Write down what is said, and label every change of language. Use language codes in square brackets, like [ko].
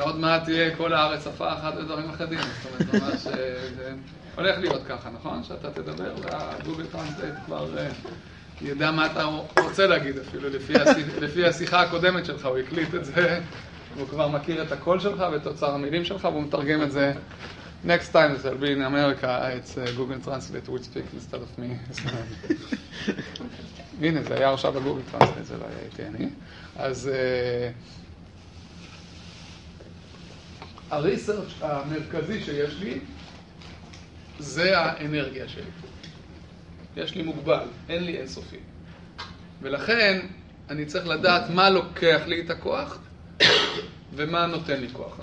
[he] עוד מעט תהיה כל הארץ שפה אחת ודברים אחדים. זאת אומרת, ממש... הולך להיות ככה, נכון? שאתה תדבר והגוגל טרנסלייט כבר ידע מה אתה רוצה להגיד אפילו לפי השיחה הקודמת שלך. הוא הקליט את זה, הוא כבר מכיר את הקול שלך ואת אוצר המילים שלך, והוא מתרגם את זה. [en] Next time it will be in America, it's Google Translate which speak instead of me. [he] הנה, זה היה עכשיו בגוגל טרנסלייט, זה לא היה איתי אני. אז... הריסרצ' המרכזי שיש לי זה האנרגיה שלי. יש לי מוגבל, אין לי אינסופי. ולכן אני צריך לדעת מה לוקח לי את הכוח ומה נותן לי כוח.